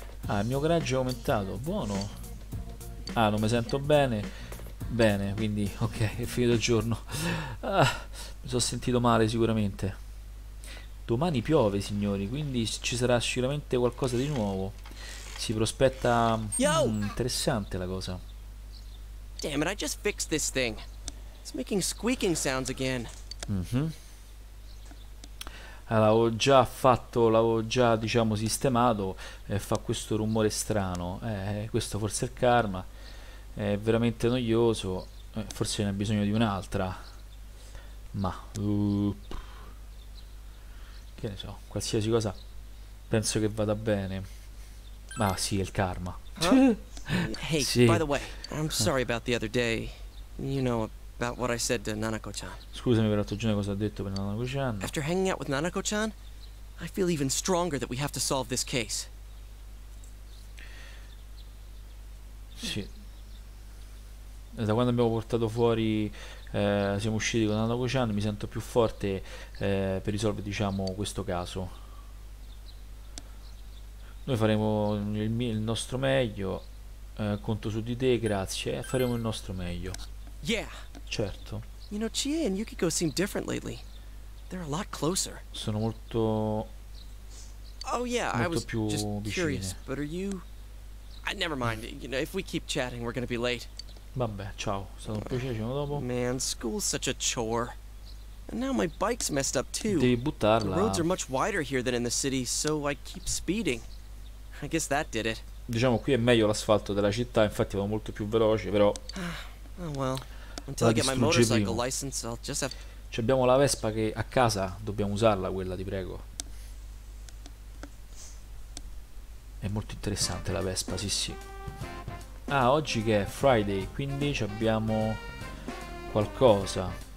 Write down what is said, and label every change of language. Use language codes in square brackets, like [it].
[it] Ah, il mio coraggio è aumentato, buono. Ah, non mi sento bene. Bene, quindi, ok, è finito il giorno. Ah, mi sono sentito male sicuramente. Domani piove, signori, quindi ci sarà sicuramente qualcosa di nuovo. Si prospetta interessante la cosa. [en] Damn it, I just fixed this thing. It's making squeaking sounds again. Mm-hmm. [it] L'avevo già fatto, l'avevo già, diciamo, sistemato, e fa questo rumore strano. Questo forse è il karma. È veramente noioso. Forse ne ha bisogno di un'altra. Ma che ne so, qualsiasi cosa penso che vada bene. Ma ah, sì, è il karma. Huh? [en] Hey, [it] sì. [en] By the way, I'm sorry about the other day. You know about what I said to Nanako-chan. [it] Scusami per l'altro giorno cosa ho detto per Nanako-chan. [en] After hanging out with Nanako-chan, I feel even stronger that we have to solve this case. [it] Sì. Da quando abbiamo portato fuori, siamo usciti con Nanako-chan, mi sento più forte per risolvere, diciamo, questo caso. Noi faremo il nostro meglio. Conto su di te, grazie. Faremo il nostro meglio. [en] Yeah. [it] Certo. [en] You know, Chie and Yukiko seem different lately. They're a lot closer. [it] Sono molto. [en] Oh yeah, [it] molto [en] I was [it] più [en] just [it] vicine. [en] Curious, but are you? Never mind. You know, if we keep chatting, we're gonna be late. [it] Vabbè, ciao. Sono un piacere. Ci vediamo dopo. [en] Man, school's such a chore. And now my bike's messed up too. [it] Devi buttarla. [en] The roads are much wider here than in the city, so I keep speeding. I guess that did it. [it] Diciamo qui è meglio l'asfalto della città, infatti va molto più veloce, però. [en] Oh well. Until I get my motorcycle license, I'll just have. [it] Ci abbiamo la Vespa che a casa dobbiamo usarla, quella, ti prego. È molto interessante la Vespa, sì sì. Ah, oggi che è Friday, quindi ci abbiamo qualcosa.